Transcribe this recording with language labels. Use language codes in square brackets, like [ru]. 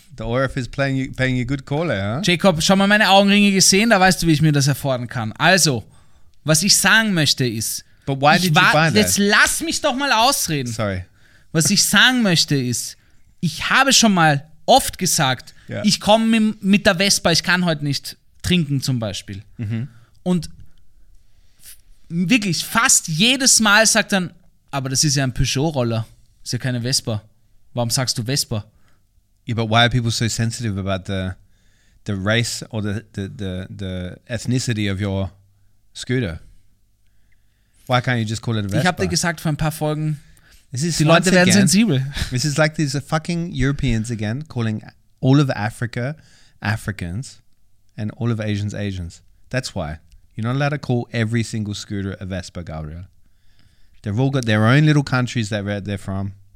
[en] The ORF is paying you good caller, huh? [de] Jacob, schau mal meine Augenringe gesehen, da weißt du, wie ich mir das erfordern kann. Also, was ich sagen möchte ist, [en] But why did you buy that? [de] Jetzt lass mich doch mal ausreden. [en] Sorry. [de] Was ich sagen möchte ist, ich habe schon mal oft gesagt, yeah, ich komme mit der Vespa, ich kann heute nicht trinken zum Beispiel. Mm-hmm. Und wirklich fast jedes Mal sagt dann, aber das ist ja ein Peugeot-Roller, ist ja keine Vespa. Warum sagst du Vespa? [en] Yeah, but why are people so sensitive about the race or the ethnicity of your scooter? Why can't you just call it a Vespa? [de] Ich habe dir gesagt vor ein paar Folgen, die Leute werden sensibel. [en] This is like these fucking Europeans again calling all of Africa Africans and all of Asians Asians. That's why. You're not allowed to call every single scooter a Vespa, Gabriel. They've all got their own little countries that they're from.